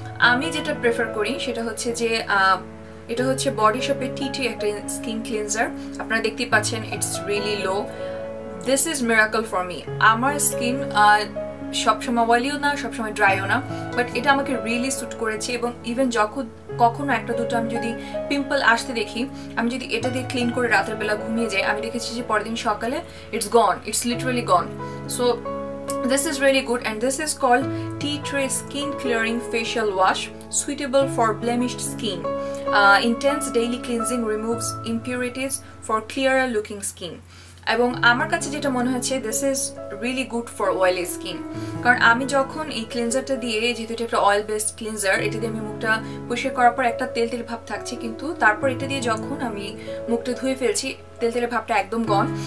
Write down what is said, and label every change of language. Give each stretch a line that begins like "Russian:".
Bangla: আমি যেটা প্রেফার করি সেটা হচ্ছে যে এটা হচ্ছে বডি শপের টিটি একটা স্কিন ক্লিনজার, আপনারা দেখতেই পাচ্ছেন it's really low, this is miracle for me. আমার স্কিন সবসময় অয়েলিও না, সবসময় ড্রাইও না, বাট এটা আমাকে রিয়েলি স্যুট করেছে। এবং ইভেন যখন কখনো একটা দুটো আমি যদি পিম্পল আসতে দেখি, আমি যদি এটা দিয়ে ক্লিন করে রাতের বেলা ঘুমিয়ে যাই, আমি দেখেছি যে পরদিন সকালে it's gone, it's literally gone.
English: So this is really good and this is called tea tree skin clearing facial wash, suitable for blemished skin. Intense daily cleansing removes impurities for clearer looking skin.
Bangla: এবং আমার কাছে যেটা মনে হচ্ছে this is really good for oily skin, কারণ আমি যখন এই ক্লিনজারটা দিয়ে, যেহেতু এটা একটা অয়েল বেসড ক্লিনজার, এটা দিয়ে আমি মুখটা পরিষ্কার করার পর একটা তেল তেল ভাব থাকছে, কিন্তু তারপর এটা দিয়ে যখন আমি মুখটা ধুয়ে ফেলছি তেল তেলের ভাবটা একদম গন।